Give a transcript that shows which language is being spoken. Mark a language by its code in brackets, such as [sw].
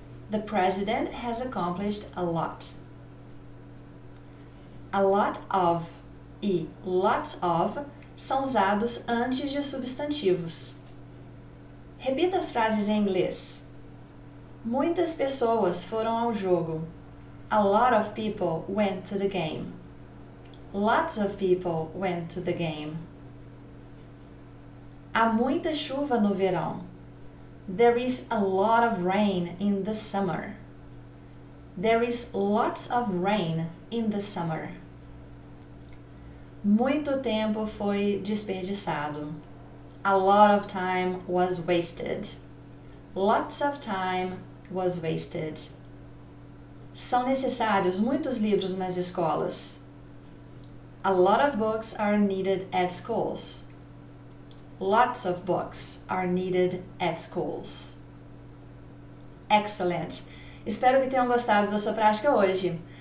[en] The president has accomplished a lot. [pt] A lot of e lots of são usados antes de substantivos. Repita as frases em inglês. Muitas pessoas foram ao jogo. [en] A lot of people went to the game. Lots of people went to the game. [pt] Há muita chuva no verão. [en] There is a lot of rain in the summer. There is lots of rain in the summer. [pt] Muito tempo foi desperdiçado. [en] A lot of time was wasted. Lots of time was wasted. [pt] São necessários muitos livros nas escolas. [en] A lot of books are needed at schools. Lots of books are needed at schools. Excellent! [pt] Espero que tenham gostado da sua prática hoje.